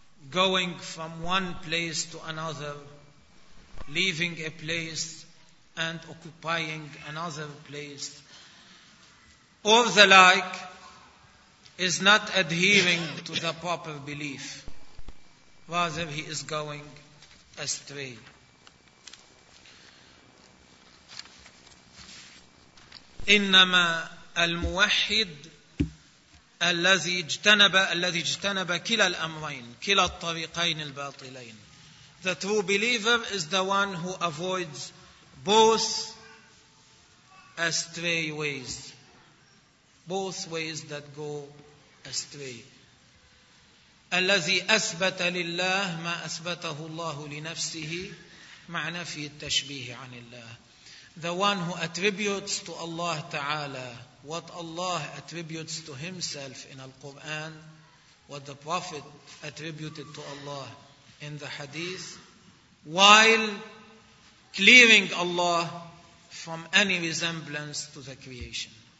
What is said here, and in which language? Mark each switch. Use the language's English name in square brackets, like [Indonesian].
[English] going from one place to another, leaving a place and occupying another place, or the like, is not adhering to the proper belief. Rather, he is going astray. [Arabic] إنما الموحد الذي اجتنب كلا الأمرين كلا الطريقين الباطلين. [English] The true believer is the one who avoids both astray ways, both ways that go astray. [Arabic] الذي أثبت لله ما أثبته الله لنفسه معنى في التشبيه عن الله. [English] The one who attributes to Allah Ta'ala what Allah attributes to himself in Al-Quran, what the Prophet attributed to Allah in the Hadith, while clearing Allah from any resemblance to the creation.